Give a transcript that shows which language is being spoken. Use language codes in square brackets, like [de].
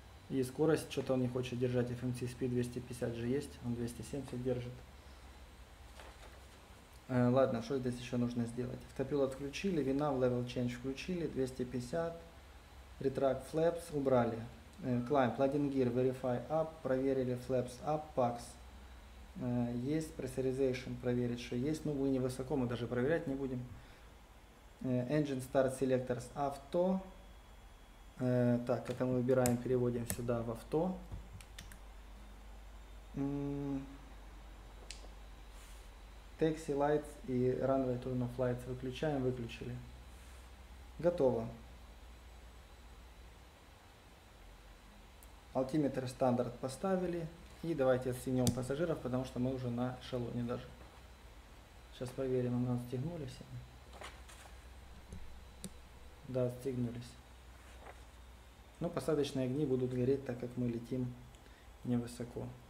[ru] И скорость, что-то он не хочет держать. FMC Speed 250 же есть, он 270 держит. Ладно, что здесь еще нужно сделать? Автопилот включили, VNAV Level Change включили, 250. [en] Retract Flaps [ru] убрали. [en] Climb, Plug-in Gear, Verify Up, [ru] проверили [en] Flaps Up, PAX. [ru] Есть Pressurization, проверить, что есть. Ну, мы не высоко, мы даже проверять не будем. [en] Engine Start Selectors Auto. [ru] Так, это мы выбираем, переводим сюда в авто. [en] Taxi Lights и Runway Turn Off Lights [ru] выключаем, выключили. Готово. [en] Altimeter Standard [ru] поставили. И давайте отстегнем пассажиров, потому что мы уже на эшелоне даже. Сейчас проверим, у нас отстегнулись. Да, отстегнулись. Но посадочные огни будут гореть, так как мы летим невысоко.